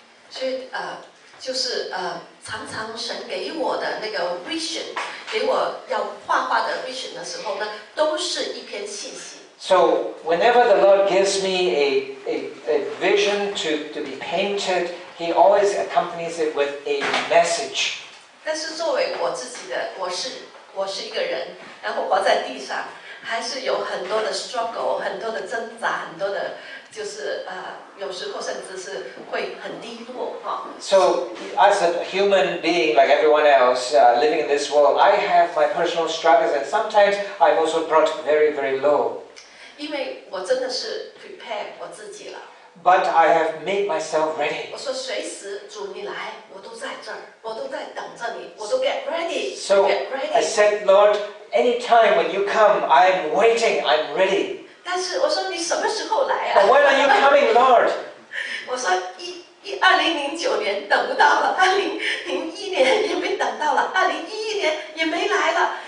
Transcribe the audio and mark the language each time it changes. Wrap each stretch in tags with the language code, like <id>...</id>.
<zh>所以就是常常神给我的那个 vision， 给我要画画的 vision 的时候呢，都是一篇信息。</zh> <en>So whenever the Lord gives me a vision to be painted, He always accompanies it with a message.</en> <zh>但是作为我自己的，我是我是一个人，然后活在地上，还是有很多的 struggle， 很多的挣扎，很多的，就是有时候甚至是会很低落哈。</zh> <en>So as a human being, like everyone else, living in this world, I have my personal struggles, and sometimes I'm also brought very, very low.</en> <zh>因为我真的是 prepare 我自己了。</zh> <en>But I have made myself ready.</en> <zh>我说随时主你来，我都在这儿，我都在等着你，我都</zh> <en>get ready. So ready. I said, Lord, any time when you come, I'm waiting, I'm ready.</en> <zh>但是我说你什么时候来啊？</zh> <en>But when are you coming, Lord?</en> <zh>我说2009年等不到了，2001年也没等到了，2011年也没来了。</zh>